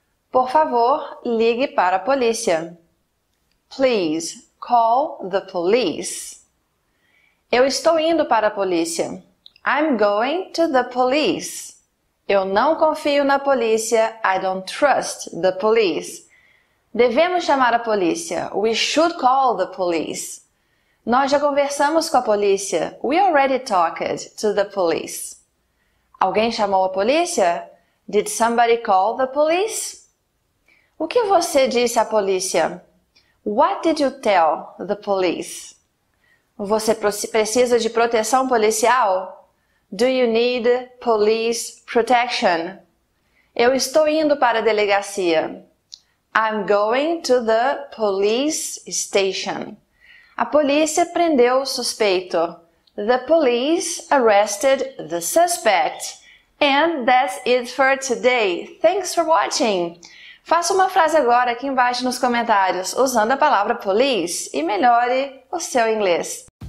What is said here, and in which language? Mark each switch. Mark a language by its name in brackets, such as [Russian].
[Portuguese] Por favor, ligue para a polícia. [English] Please call the police. [Portuguese] Eu estou indo para a polícia. [English] I'm going to the police. [Portuguese] Eu não confio na polícia. [English] I don't trust the police. [Portuguese] Devemos chamar a polícia. [English] We should call the police. [Portuguese] Nós já conversamos com a polícia. [English] We already talked to the police. [Portuguese] Alguém chamou a polícia? [English] Did somebody call the police? [Portuguese] O que você disse à polícia? [English] What did you tell the police? [Portuguese] Você precisa de proteção policial? [English] Do you need police protection? [Portuguese] Eu estou indo para a delegacia. [English] I'm going to the police station. [Portuguese] A polícia prendeu o suspeito. [English] The police arrested the suspect. And that's it for today. Thanks for watching. [Portuguese] Faça uma frase agora aqui embaixo nos comentários usando a palavra police e melhore o seu inglês.